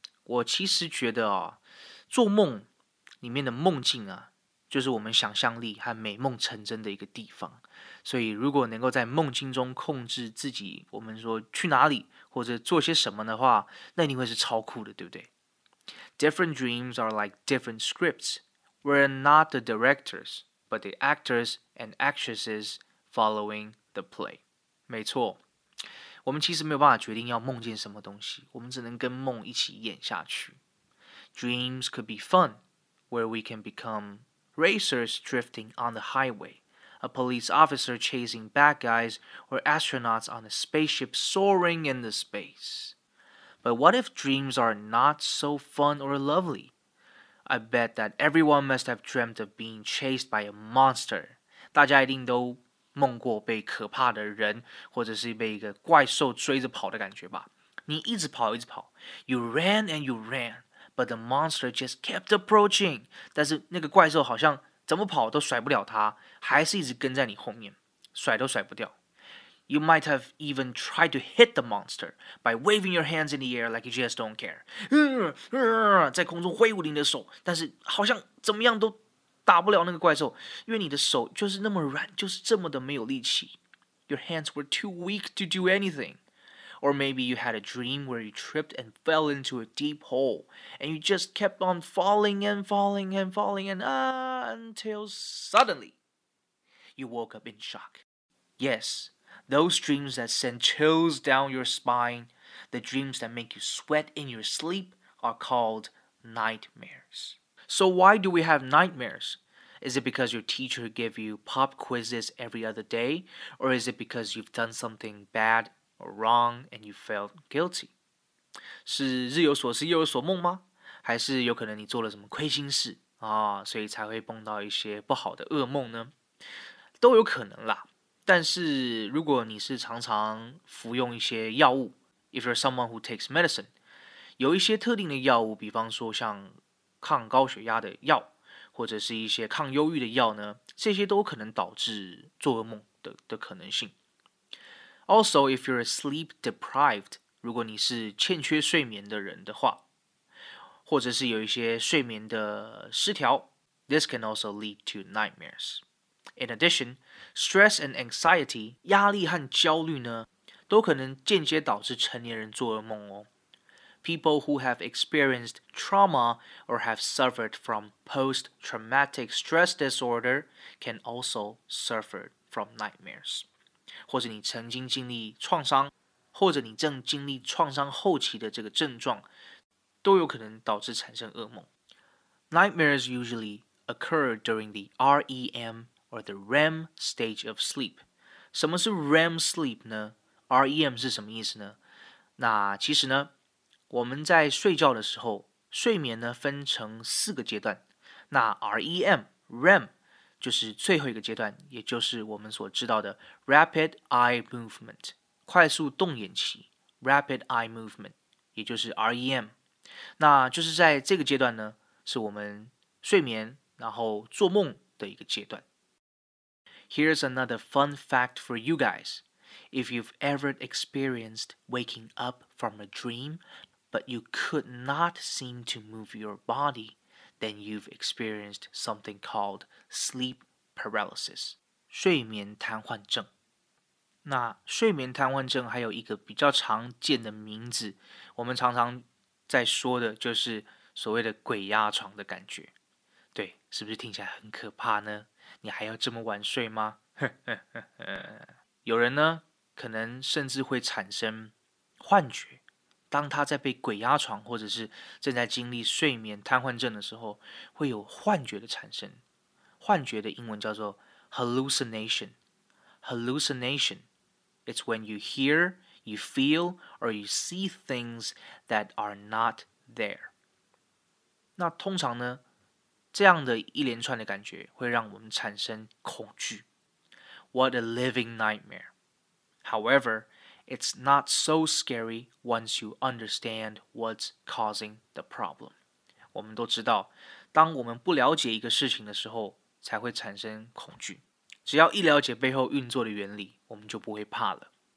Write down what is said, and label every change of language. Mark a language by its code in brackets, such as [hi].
[zh] 我其实觉得哦，做梦里面的梦境啊，就是我们想象力和美梦成真的一个地方。所以如果能够在梦境中控制自己，我们说去哪里或者做些什么的话，那一定会是超酷的，对不对？ [en] Different dreams are like different scripts. We're not the directors, but the actors and actresses following the play. [zh] 没错，我们其实没有办法决定要梦见什么东西，我们只能跟梦一起演下去。 [en] Dreams could be fun, where we can become racers drifting on the highway, a police officer chasing bad guys, or astronauts on a spaceship soaring in the space. But what if dreams are not so fun or lovely? I bet that everyone must have dreamt of being chased by a monster. [zh] 大家一定都梦过被可怕的人或者是被一个怪兽追着跑的感觉吧。你一直跑一直跑。 [en] You ran and you ran, but the monster just kept approaching. [zh] 但是那个怪兽好像怎么跑都甩不了它，还是一直跟在你后面，甩都甩不掉。 [en] You might have even tried to hit the monster by waving your hands in the air like you just don't care. [zh] 在空中挥舞你的手，但是好像怎么样都打不了那个怪兽，因为你的手就是那么软，就是这么的没有力气。 [en] Your hands were too weak to do anything. Or maybe you had a dream where you tripped and fell into a deep hole, and you just kept on falling and falling and falling and until suddenly you woke up in shock. Yes. Those dreams that send chills down your spine, the dreams that make you sweat in your sleep, are called nightmares. So why do we have nightmares? Is it because your teacher gave you pop quizzes every other day? Or is it because you've done something bad or wrong and you felt guilty? [zh] 是日有所思夜有所梦吗？还是有可能你做了什么亏心事啊，所以才会碰到一些不好的噩梦呢？都有可能啦。但是如果你是常常服用一些药物 [en] If you're someone who takes medicine [zh] 有一些特定的药物比方说像抗高血压的药或者是一些抗忧郁的药呢这些都可能导致做噩梦 的可能性 [en] Also if you're sleep deprived [zh] 如果你是欠缺睡眠的人的话或者是有一些睡眠的失调 [en] This can also lead to nightmares In addition,Stress and anxiety, [zh] 压力和焦虑呢，都可能间接导致成年人做噩梦哦。 [en] People who have experienced trauma or have suffered from post-traumatic stress disorder can also suffer from nightmares. [zh] 或者你曾经经历创伤，或者你正经历创伤后期的这个症状，都有可能导致产生噩梦。 [en] Nightmares usually occur during the REM. Or the REM stage of sleep. [zh] 什么是 REM sleep 呢 ?REM 是什么意思呢那其实呢我们在睡觉的时候睡眠呢分成四个阶段。那 REM, 就是最后一个阶段也就是我们所知道的 Rapid Eye Movement, 快速动眼期 ,Rapid Eye Movement, 也就是 REM。那就是在这个阶段呢是我们睡眠然后做梦的一个阶段。 [en] Here's another fun fact for you guys. If you've ever experienced waking up from a dream, but you could not seem to move your body, then you've experienced something called sleep paralysis. [zh] 睡眠瘫痪症。那睡眠瘫痪症还有一个比较常见的名字，我们常常在说的就是所谓的鬼压床的感觉。对，是不是听起来很可怕呢？你还要这么晚睡吗？有人呢，可能甚至会产生幻觉。当他在被鬼压床，或者是正在经历睡眠瘫痪症的时候，会有幻觉的产生。幻觉的英文叫做 hallucination。 [en] Hallucination, it's when you hear, you feel, or you see things that are not there. [zh] 那通常呢？这样的一连串的感觉会让我们产生恐惧。 [en] What a living nightmare. However, it's not so scary once you understand what's causing the problem. [zh] 我们都知道当我们不了解一个事情的时候，才会产生恐惧。只要一了解背后运作的原理，我们就不会怕了。